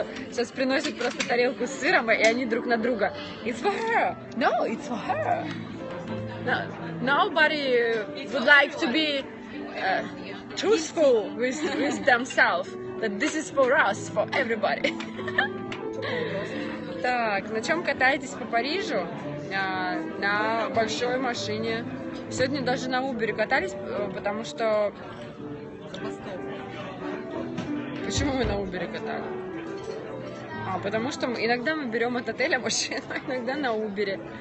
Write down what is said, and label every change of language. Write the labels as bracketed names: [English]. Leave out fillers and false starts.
[Russian] Сейчас приносят просто тарелку с сыром, и они друг на друга. [English] It's for her. No, it's for her. No, nobody it's would like to be truthful with themselves. That this is for us, for everybody. [Russian] Так, на чем катаетесь по Парижу? На большой машине. Сегодня даже на Uber катались, потому что... Почему мы на Uber катали? А, потому что иногда мы берем от отеля машину, а иногда на Uber.